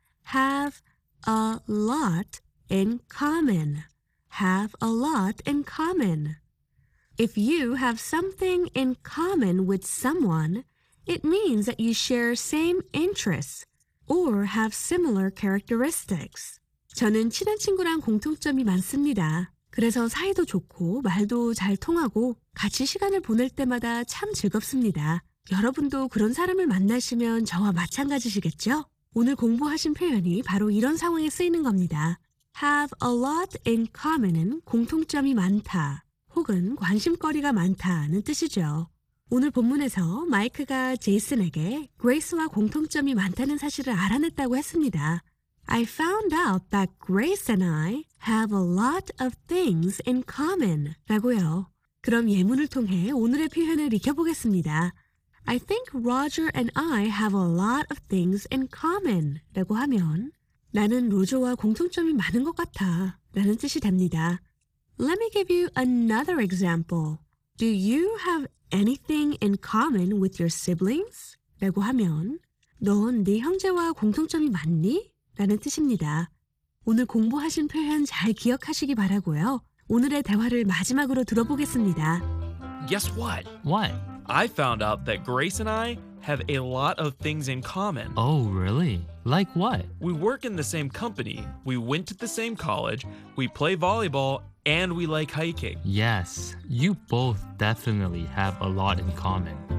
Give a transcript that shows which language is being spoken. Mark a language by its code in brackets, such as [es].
[en] Have a lot in common. Have a lot in common. If you have something in common with someone, it means that you share same interests or have similar characteristics. [ko] 저는 친한 친구랑 공통점이 많습니다. 그래서 사이도 좋고 말도 잘 통하고 같이 시간을 보낼 때마다 참 즐겁습니다. 여러분도 그런 사람을 만나시면 저와 마찬가지시겠죠? 오늘 공부하신 표현이 바로 이런 상황에 쓰이는 겁니다. [en] Have a lot in common [ko] 은 공통점이 많다 혹은 관심거리가 많다는 뜻이죠. 오늘 본문에서 마이크가 제이슨에게 그레이스와 공통점이 많다는 사실을 알아냈다고 했습니다. [en] I found out that Grace and I have a lot of things in common. [ko] 라고요. 그럼 예문을 통해 오늘의 표현을 익혀보겠습니다. [en] I think Roger and I have a lot of things in common. [ko] 라고 하면 나는 로저와 공통점이 많은 것 같아. 라는 뜻이 됩니다. [en] Let me give you another example. Do you have anything in common with your siblings? [ko] 라고 하면 넌 네 형제와 공통점이 많니? 라는 뜻입니다. 오늘 공부하신 표현 잘 기억하시기 바라고요. 오늘의 대화를 마지막으로 들어보겠습니다. [en] Guess what? What? I found out that Grace and I have a lot of things in common. Oh, really? Like what? We work in the same company, we went to the same college, we play volleyball, and we like hiking. Yes, you both definitely have a lot in common.